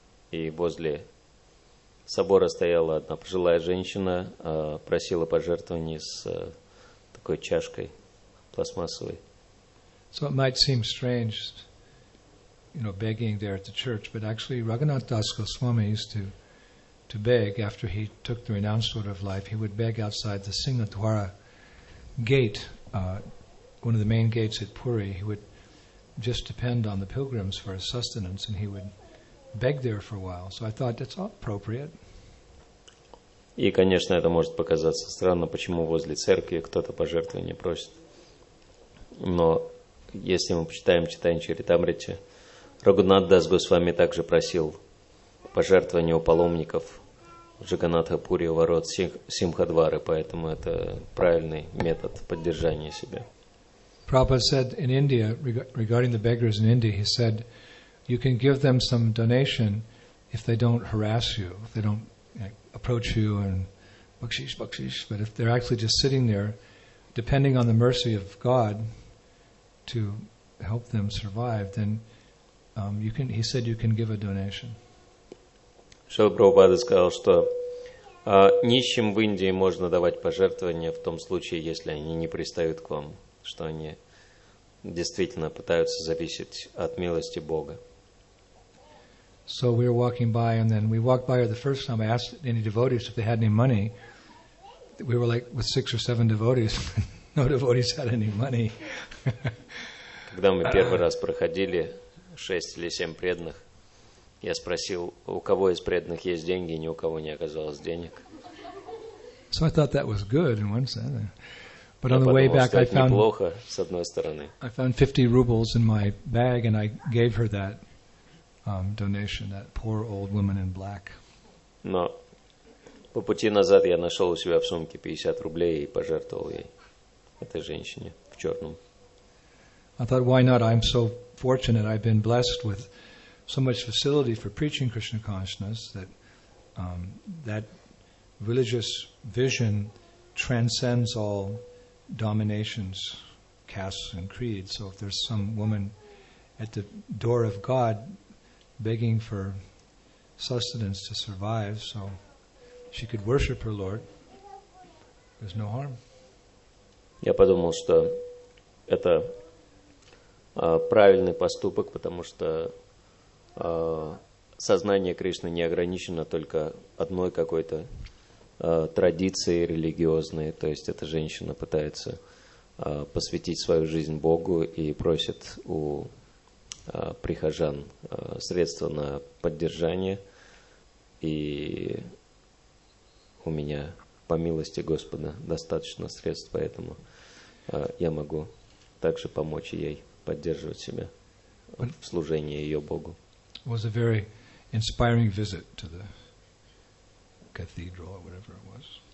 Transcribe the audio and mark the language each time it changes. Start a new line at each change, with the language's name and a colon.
Russian: И возле собора стояла одна пожилая женщина, просила пожертвований с такой чашкой пластмассовой.
English: So it might seem strange, you know, begging there at the church, but actually Raghunath Das Goswami used to beg after he took the renounced order of life. He would beg outside the Singhadwara gate, one of the main gates at Puri. He would just depend on the pilgrims for his sustenance, and he would beg there for a while. So I thought that's appropriate.
Russian: И, конечно, это может показаться странно, почему возле церкви кто-то пожертвование просит. Но если мы почитаем читание Чаритамриты, Рагхунат Дас Госвами также просил пожертвования у паломников Джаганнатха Пури у ворот Симхадвары, поэтому это правильный метод поддержания себя.
English: Prabhupada said in India, regarding the beggars in India, he said, you can give them some donation if they don't harass you, if they don't approach you and bakshish, bakshish, but if they're actually just sitting there, depending on the mercy of God to help them survive, then you can, he said, you can give a donation.
Russian: Шрила Прабхупада сказал, что нищим в Индии можно давать пожертвования в том случае, если они не пристают к вам, что они действительно пытаются зависеть от милости Бога.
English: So we were walking by, and then we walked by her the first time. I asked any devotees if they had any money. We were like with six or seven devotees. No devotees had any money.
Russian: Когда мы первый раз проходили, шесть или семь преданных, я спросил, у кого из преданных есть деньги, и ни у кого не оказалось денег.
English: So I thought that was good in one sense. But on the way back, I found,
Russian: неплохо, с одной стороны.
English: I found 50 rubles in my bag, and I gave her that donation, that poor old woman in black.
Russian: Но по пути назад я нашел у себя в сумке 50 рублей и пожертвовал ей, этой женщине в черном.
English: I thought, why not? I'm so fortunate. I've been blessed with so much facility for preaching Krishna consciousness that that religious vision transcends all dominations, castes, and creeds. So if there's some woman at the door of God begging for sustenance to survive so she could worship her Lord, there's no harm.
Russian: Я подумал, что это правильный поступок, потому что сознание Кришны не ограничено только одной какой-то традиции религиозной. То есть эта женщина пытается посвятить свою жизнь Богу и просит у прихожан средства на поддержание. И у меня, по милости Господа, достаточно средств, поэтому я могу также помочь ей поддерживать себя в служении ее Богу.
English: It was a very inspiring visit to the cathedral or whatever it was.